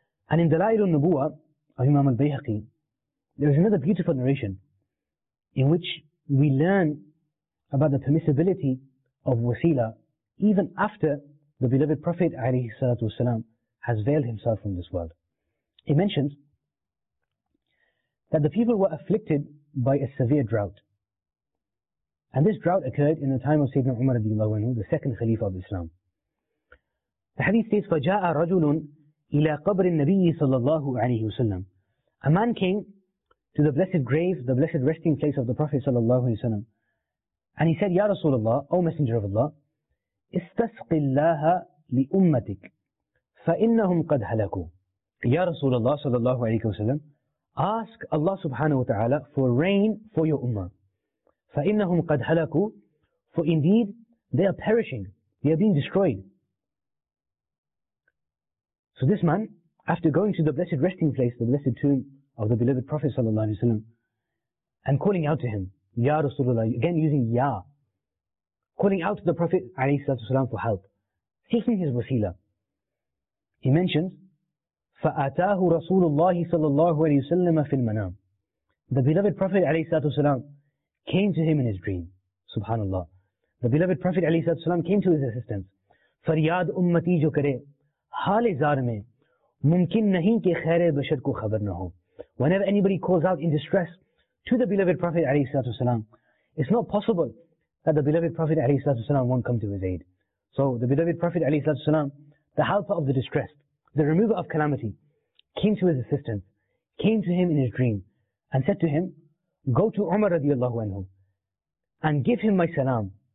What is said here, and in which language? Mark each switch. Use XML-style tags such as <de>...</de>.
<en>And in Dalail al-Nubuwa of Imam al-Bayhaqi, there is another beautiful narration in which we learn about the permissibility of wasila even after the beloved Prophet alayhi salatu wasalam has veiled himself from this world. He mentions that the people were afflicted by a severe drought. And this drought occurred in the time of Sayyidina Umar radiallahu anhu, the second Khalifa of Islam. The hadith says,</en> <ar>فَجَاءَ رَجُلٌ إِلَىٰ قَبْرِ النَّبِيِّ صَلَّى اللَّهُ عَلَيْهِ وَسَلَّمُ.</ar> <en>A man came to the blessed grave, the blessed resting place of the Prophet sallallahu alayhi wa sallam. And he said, Ya Rasulullah, O Messenger of Allah,</en> <ar>استسقِ اللَّهَ لِأُمَّتِكَ فَإِنَّهُمْ قَدْ هَلَكُوا.</ar> <en>Ya Rasulullah sallallahu alayhi wa sallam, ask Allah subhanahu wa ta'ala for rain for your ummah.</en> <ar>فَإِنَّهُمْ قَدْ هَلَكُوا.</ar> <en>For indeed, they are perishing. They are being destroyed. So this man, after going to the blessed resting place, the blessed tomb of the beloved Prophet sallallahu alayhi wa sallam, and calling out to him, Ya Rasulullah, again using Ya, calling out to the Prophet alayhi salatu wasalam for help, seeking his wasila. He mentions,</en> <ar>فَآتَاهُ رَسُولُ اللَّهِ صَلَى اللَّهُ عَلَيْهِ وَسَلَّمَ فِي الْمَنَامِ.</ar> <en>The beloved Prophet alayhi salatu wasalam came to him in his dream. Subhanallah. The beloved Prophet ﷺ came to his assistance.</en> <ur>فریاد امتی جو کرے حال زار میں ممکن نہیں کہ خیر بشر کو خبر نہ ہو.</ur> <en>Whenever anybody calls out in distress to the beloved Prophet ﷺ, it's not possible that the beloved Prophet ﷺ won't come to his aid. So the beloved Prophet ﷺ, the helper of the distressed, the remover of calamity, came to his assistance, came to him in his dream, and said to him, go to Umar radiallahu anhu and give him my salam.</en>